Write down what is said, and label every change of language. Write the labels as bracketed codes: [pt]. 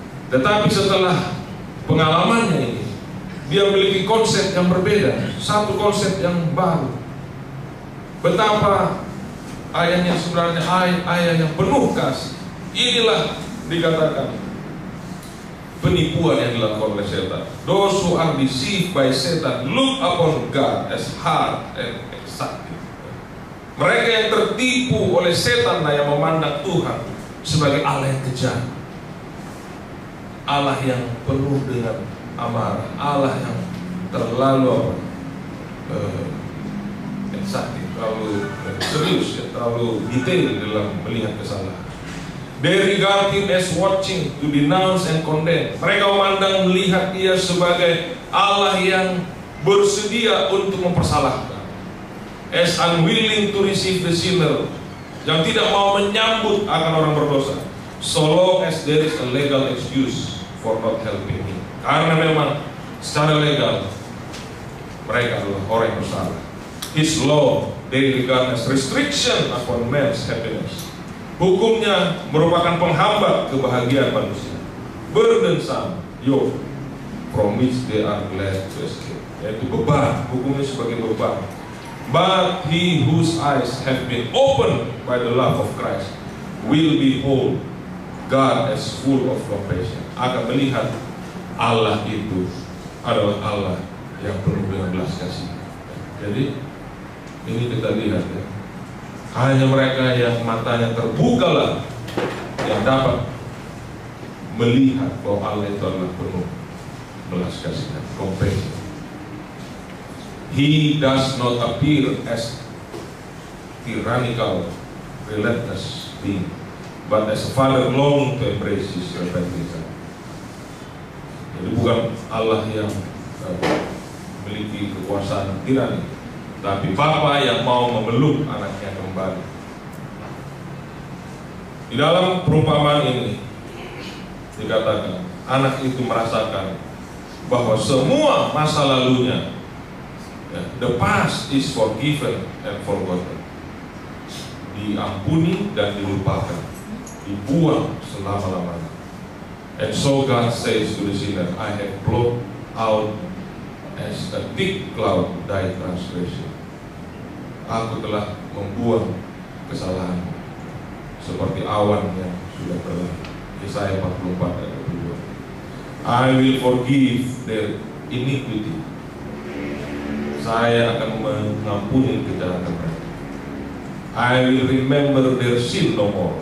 [id] Tetapi setelah pengalamannya ini, dia memiliki konsep yang berbeda, satu konsep yang baru. Betapa ayahnya sebenarnya ayah yang penuh kasih. Inilah dikatakan penipuan yang dilakukan oleh setan. [en] Those who are deceived by Satan look upon God as hard and exacting. [id] Mereka yang tertipu oleh setan lah yang memandang Tuhan sebagai Allah yang kejam, Allah yang penuh dengan amarah, Allah yang terlalu exacting, terlalu serius, ya, terlalu detail dalam melihat kesalahan. [en] They regard him as watching to denounce and condemn. [id] Mereka memandang melihat dia sebagai Allah yang bersedia untuk mempersalahkan. [en] As unwilling to receive the sinner, [id] yang tidak mau menyambut akan orang berdosa. [en] So long as there is a legal excuse for not helping him. [id] Karena memang secara legal mereka adalah orang yang bersalah. [en] His law they regard as restriction upon man's happiness. [id] Hukumnya merupakan penghambat kebahagiaan manusia. [en] Burdensome yoke from which they are glad to escape. [id] Yaitu beban, hukumnya sebagai beban. [en] But he whose eyes have been opened by the love of Christ will behold God as full of compassion. [id] Akan melihat Allah itu adalah Allah yang penuh dengan belas kasih. Jadi ini kita lihat, ya. Hanya mereka yang matanya terbuka lah yang dapat melihat bahwa Allah itu adalah penuh belas kasihan, compassion. [en] He does not appear as tyrannical, relentless being, but as a father long to embrace his repentant son. [id] Jadi bukan Allah yang memiliki kekuasaan tirani, tapi Bapa yang mau memeluk anaknya kembali. Di dalam perumpamaan ini dikatakan anak itu merasakan bahwa semua masa lalunya, [en] the past is forgiven and forgotten, [id] diampuni dan dilupakan, dibuang selama-lamanya. [en] And so God says to the sinner, I have blot out as a thick cloud thy transgression. [id] Aku telah membuang kesalahan seperti awan yang sudah berlalu. Yesaya 44 ayat 22. [en] I will forgive their iniquity. [id] saya akan mengampuni kejahatan mereka. [en] I will remember their sin no more.